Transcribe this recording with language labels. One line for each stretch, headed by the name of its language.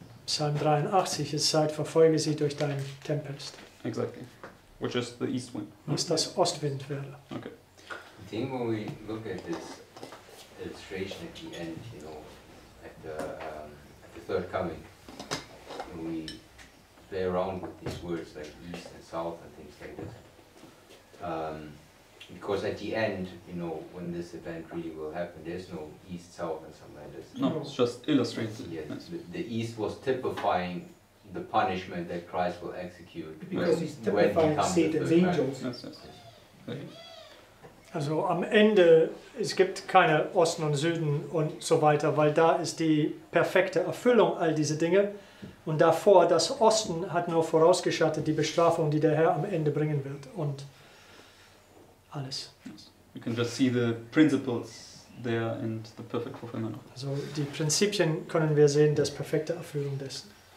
German: Psalm 83, es sagt, verfolge sie durch dein Tempest.
English: Exactly, which is the east wind.
German: Was das Ostwind wäre.
English: Okay. I think when we look at this illustration at the end, you know, the third coming, and we play around with these words like east and south and things like this, because at the end, you know, when this event really will happen, there's no east, south and something like this. No, it's just illustrated. Yes, the east was typifying the punishment that Christ will execute. Because he's typifying Satan's angels.
German: Also am Ende, es gibt keine Osten und Süden und so weiter, weil da ist die perfekte Erfüllung all diese Dinge. Und davor, das Osten hat nur vorausgeschattet die Bestrafung, die der Herr am Ende bringen wird und alles.
English: You can just see the principles there and the perfect fulfillment.
German: Also die Prinzipien können wir sehen, das perfekte Erfüllung dessen.